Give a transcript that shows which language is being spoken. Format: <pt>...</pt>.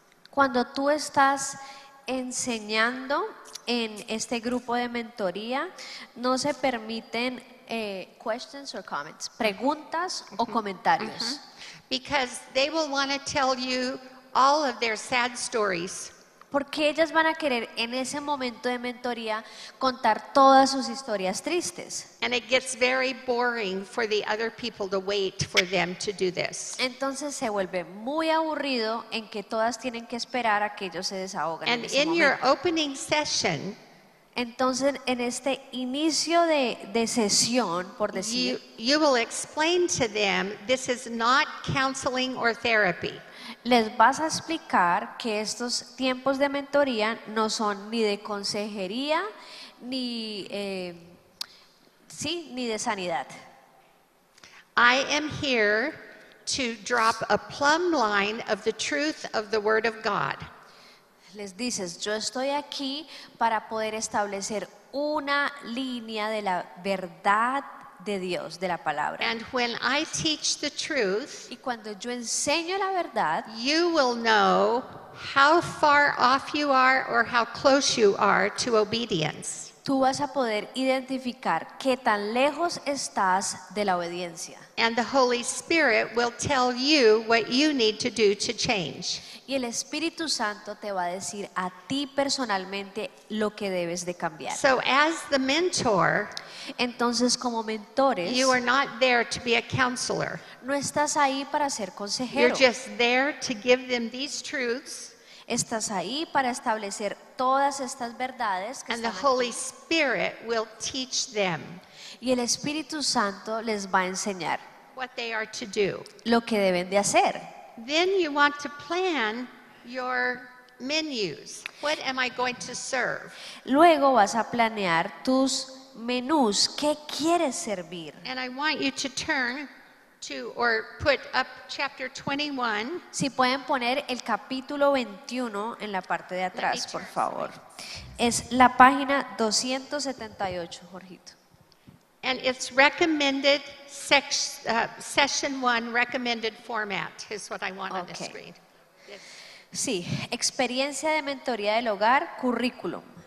<es>Cuando tú estás enseñando en este grupo de mentoría, no se permiten</es> <en>questions or comments,</en> <es>preguntas o comentarios.</es> <en>Because they will want to tell you all of their sad stories.</en> <es>Porque ellas van a querer en ese momento de mentoría contar todas sus historias tristes.</es> <en>And it gets very boring for the other people to wait for them to do this.</en> <es>Entonces se vuelve muy aburrido en que todas tienen que esperar a que ellos se desahoguen.</es> <en>And</en> <es>en ese</es> <en>in your opening session,</en> <es>entonces en este inicio de sesión, por decir,</es> <en>you will explain to them this is not counseling or therapy.</en> <es>Les vas a explicar que estos tiempos de mentoría no son ni de consejería ni sí, ni de sanidad.</es> <en>I am here to drop a plumb line of the truth of the Word of God.</en> <es>Les dices, yo estoy aquí para poder establecer una línea de la verdad de Dios, de la palabra.</es> <en>And when I teach the truth,</en> <es>y cuando yo enseño la verdad,</es> <en>you will know how far off you are or how close you are to obedience.</en> <es>Tú vas a poder identificar qué tan lejos estás de la obediencia.</es> <en>And the Holy Spirit will tell you what you need to do to change.</en> <es>Y el Espíritu Santo te va a decir a ti personalmente lo que debes de cambiar.</es> <en>So as the mentor,</en> <es>entonces como mentores,</es> <en>you are not there to be a counselor.</en> <es>No estás ahí para ser consejero.</es> <en>You're just there to give them these truths.</en> <es>Estás ahí para establecer todas estas verdades que</es> <en>and the Holy Spirit will teach them.</en> <es>Y el Espíritu Santo les va a enseñar</es> <en>what they are to do.</en> <es>Lo que deben de hacer.</es> <en>Then you want to plan your menus. What am I going to serve?</en> <es>Luego vas a planear tus menús. ¿Qué quieres servir?</es> <en>And I want you to turn to or put up chapter 21.</en> <es>Si pueden poner el capítulo 21 en la parte de atrás, por favor. Es la página 278, Jorgito.</es> <en>And it's recommended session 1 recommended format is what I want on the screen.</en> <es>Sí, experiencia de mentoría del hogar, currículum.</es>